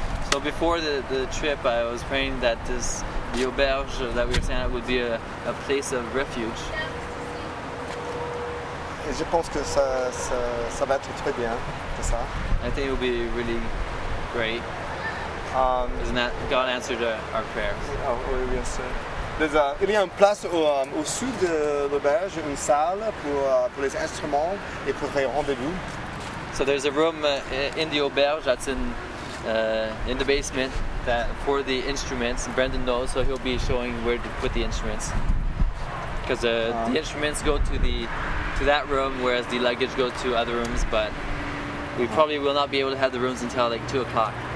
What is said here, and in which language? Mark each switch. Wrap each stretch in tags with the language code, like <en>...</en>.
<en>So before the trip, I was praying that this the auberge that we were staying at would be a place of refuge.</en> <fr>Et je pense que ça va être très bien, c'est ça.</fr> <en>I think it will be really great. Isn't that God answered our prayers?</en> <fr>Oui, bien sûr. Il y a une place au sud de l'auberge, une salle pour les instruments et pour les rendez-vous.</fr> <en>So there's a room in the auberge that's in the basement that for the instruments. And Brendan knows, so he'll be showing where to put the instruments. Because the instruments go to that room, whereas the luggage goes to other rooms. But we probably will not be able to have the rooms until like 2 o'clock.</en>